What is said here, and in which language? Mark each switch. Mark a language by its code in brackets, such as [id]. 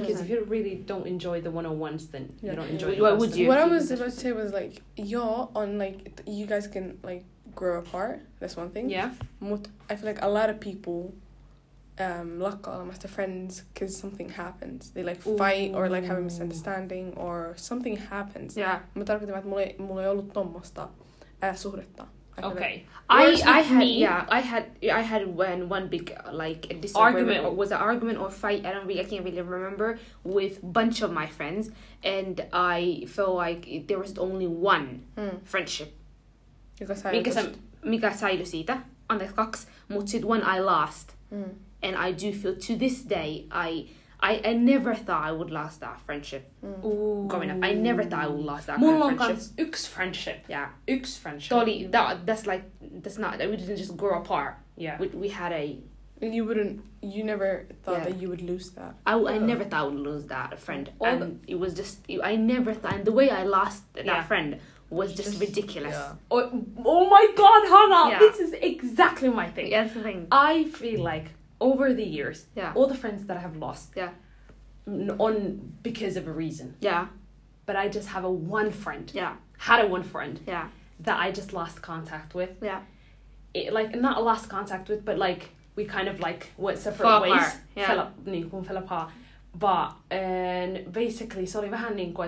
[en] Because if you really don't enjoy the 101s, then you don't enjoy it. Why would you? What I was about to say was like, you're on like, you guys can like, grow apart, that's one thing. Yeah. But I feel like a lot of people lack all of their friends because something happens. They like fight or like have a misunderstanding or something happens. Yeah. [fi] Mä tarkoitin, että mulla ei ollut tommoista suhdetta. [en] Okay. I had when one big like disagreement argument. Was an argument or fight, I can't really remember, with bunch of my friends, and I felt like there was only one friendship. [fi] Mikä säilyi siitä, anteeksi kaksi, mutta sitten [en] one I lost. And I do feel to this day, I never thought I would lost that friendship growing up. I never thought I would lost that [fi] mulla [en] kind of friendship. [fi] Mulla on kans yks friendship. [en] Yeah. [fi] Yks friendship. [en] Totally, we didn't just grow apart. Yeah. We had a... You never thought that you would lose that. I never thought I would lose that friend. And it was just, I never thought, and the way I lost that friend... Was just ridiculous. Yeah. Oh my god, Hannah! Yeah. This is exactly my thing. Yeah, that's the thing. I feel like over the years, all the friends that I have lost, on because of a reason. Yeah. But I just have a one friend. Yeah. Had a one friend. Yeah. That I just lost contact with. Yeah. It, like, not lost contact with, but like, we kind of like went separate ways. Fell apart. But and basically, sorry, [fi] vähän niin kuin,